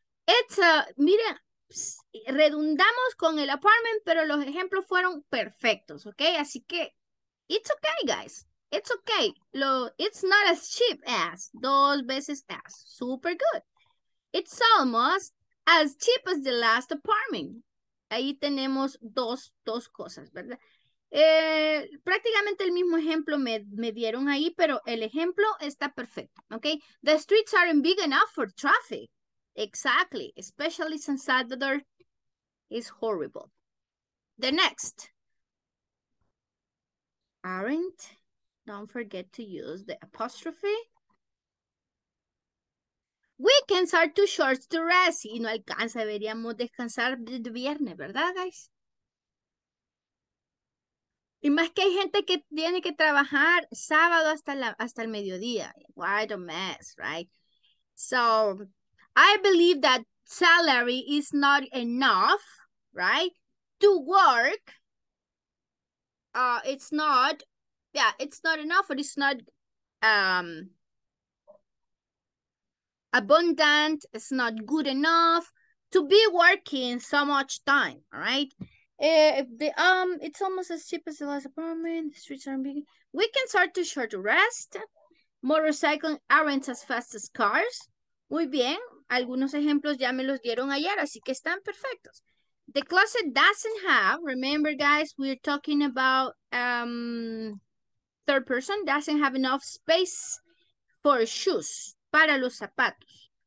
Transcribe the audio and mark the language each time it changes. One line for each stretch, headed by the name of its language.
English: It's a,
Spanish: mira, redundamos con el apartment, pero los ejemplos fueron perfectos, okay? Así que,
English: it's okay, guys. It's okay. Lo, it's not as cheap as.
Spanish: Dos veces as.
English: Super good. It's almost as cheap as the last apartment.
Spanish: Ahí tenemos dos cosas, ¿verdad? Prácticamente el mismo ejemplo me dieron ahí, pero el ejemplo está perfecto, okay?
English: The streets aren't big enough for traffic. Exactly. Especially San Salvador is horrible. The next. Aren't. Don't forget to use the apostrophe. Weekends are too short to rest.
Spanish: Y no alcanza. Deberíamos descansar el viernes, ¿verdad, guys? Y más que hay gente que tiene que trabajar sábado hasta el mediodía.
English: What a mess, right? So, I believe that salary is not enough, right? To work, it's not. Yeah, it's not enough, but it's not abundant. It's not good enough to be working so much time. All right. It's almost as cheap as the last apartment. The streets aren't big. We can start to short rest. Motorcycling aren't as fast as cars.
Spanish: Muy bien. Algunos ejemplos ya me los dieron ayer, así que están perfectos.
English: The closet doesn't have, remember guys, we're talking about third person, doesn't have enough space for shoes,
Spanish: para los zapatos.